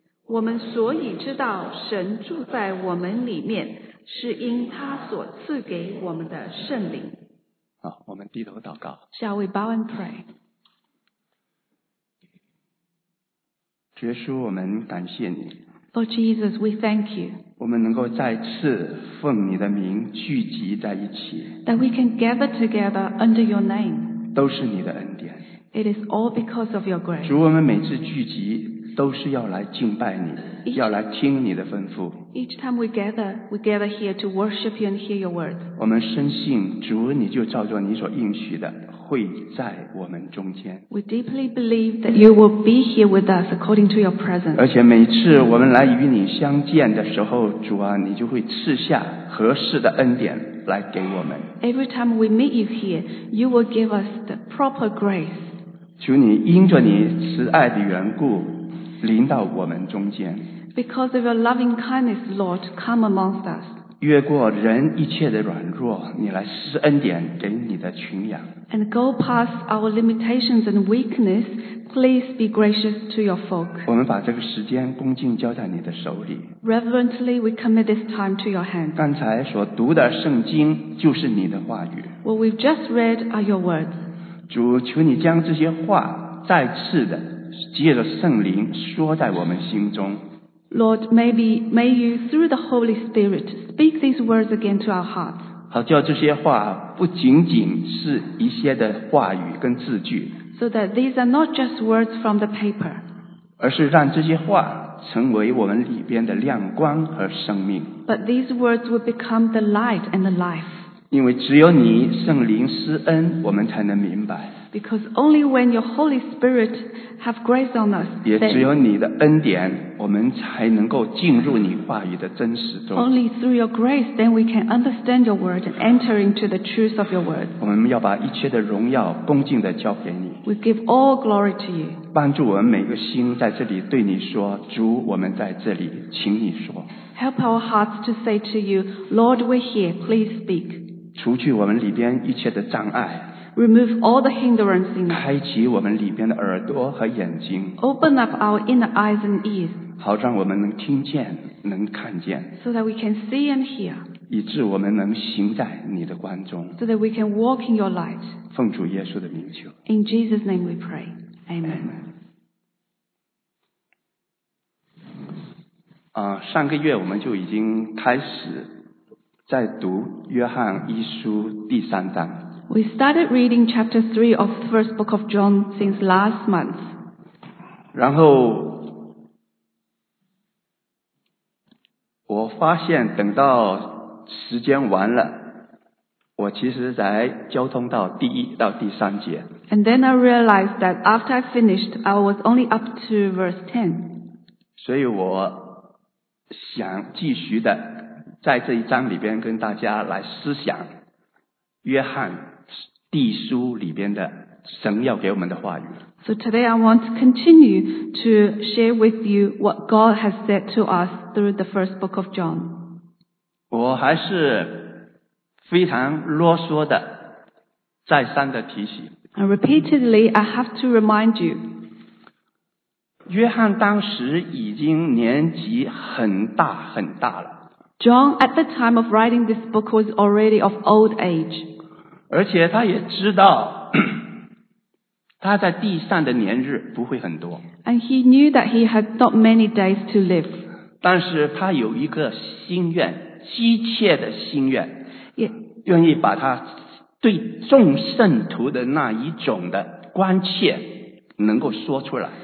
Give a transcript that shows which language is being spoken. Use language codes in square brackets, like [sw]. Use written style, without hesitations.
[zh] 我们所以知道神住在我们里面，是因他所赐给我们的圣灵。好，我们低头祷告。 [en] Shall we bow and pray? [zh] 主耶稣，我们感谢你。 [en] Lord Jesus, we thank you. [zh] 我们能够再次奉你的名聚集在一起。 [en] That we can gather together under your name. [zh] 都是你的恩典。 [en] It is all because of your grace. [zh] 主，我们每次聚集都是要来敬拜你，要来听你的吩咐。 [en] Each time we gather here to worship you and hear your words. [zh] 我们深信主，你就照着你所应许的会在我们中间。 [en] We deeply believe that you will be here with us according to your presence. [zh] 而且每次我们来与你相见的时候，主啊，你就会赐下合适的恩典来给我们。 [en] Every time we meet you here, you will give us the proper grace. [zh] 求你因着你慈爱的缘故临到我们中间。 [en] Because of your loving kindness, Lord, come amongst us. [zh] 越过人一切的软弱，你来施恩典给你的群羊。 [en] And go past our limitations and weakness, please be gracious to your folk. [zh] 我们把这个时间恭敬交在你的手里。 [en] Reverently, we commit this time to your hand. [zh] 刚才所读的圣经就是你的话语。 [en] What we've just read are your words. [zh] 主，求你将这些话再次的借着圣灵说在我们心中。 [en] Lord, may you through the Holy Spirit speak these words again to our hearts. [zh] 好叫这些话不仅仅是一些的话语跟字句。 [en] So that these are not just words from the paper. [zh] 而是让这些话成为我们里边的亮光和生命。 [en] But these words will become the light and the life. [zh] 因为只有你圣灵施恩，我们才能明白。 [en] Because only when your Holy Spirit have grace on us, [zh] 也只有你的恩典，我们才能够进入你话语的真实中。 [en] Only through your grace, then we can understand your word and enter into the truth of your word. [zh] 我们要把一切的荣耀恭敬地交给你。 [en] We give all glory to you. [zh] 帮助我们每个心在这里对你说，主，我们在这里，请你说。 [en] Help our hearts to say to you, Lord, we're here. Please speak. [zh] 除去我们里边一切的障碍。 [en] Remove all the hindrances in us. [zh] 开启我们里边的耳朵和眼睛。 [en] Open up our inner eyes and ears. [zh] 好让我们能听见，能看见。 [en] So that we can see and hear. [zh] 以致我们能行在你的光中。 [en] So that we can walk in your light. [zh] 奉主耶稣的名求。 [en] In Jesus' name we pray. Amen. [zh] 上个月我们就已经开始在读约翰一书第三章。 [en] We started reading chapter 3 of the first book of John since last month. [zh] 然后我发现等到时间完了，我其实才交通到第一到第三节。 [en] And then I realized that after I finished, I was only up to verse 10. [zh] 所以我想继续的在这一章里边跟大家来思想约翰地书里边的神要给我们的话语。 [en] So today I want to continue to share with you what God has said to us through the first book of John. [zh] 我还是非常啰嗦的再三的提醒。 [en] And repeatedly I have to remind you. [zh] 约翰当时已经年纪很大很大了。 [en] John at the time of writing this book was already of old age. [zh] 而且他也知道他在地上的年日不会很多。 [en] And he knew that he had not many days to live. [zh] 但是他有一个心愿，急切的心愿，愿意把他对众圣徒的那一种的关切能够说出来。